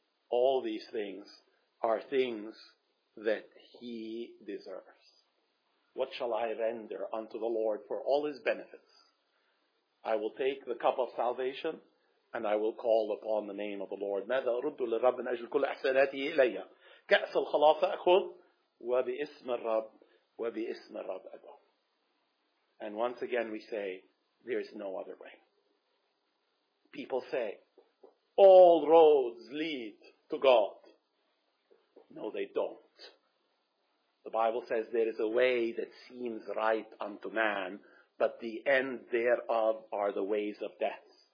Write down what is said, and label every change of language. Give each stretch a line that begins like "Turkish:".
English: All these things are things that He deserves. What shall I render unto the Lord for all His benefits? I will take the cup of salvation, and I will call upon the name of the Lord.
Arabic: ماذا أرد للرب من أجل كل أحساناته إلي؟ كأس الخلاص أخذ وباسم الرب وباسم الرب أدعو.
English: And once again we say, there is no other way. People say, all roads lead to God. No, they don't. The Bible says there is a way that seems right unto man, but the end thereof are the ways of death.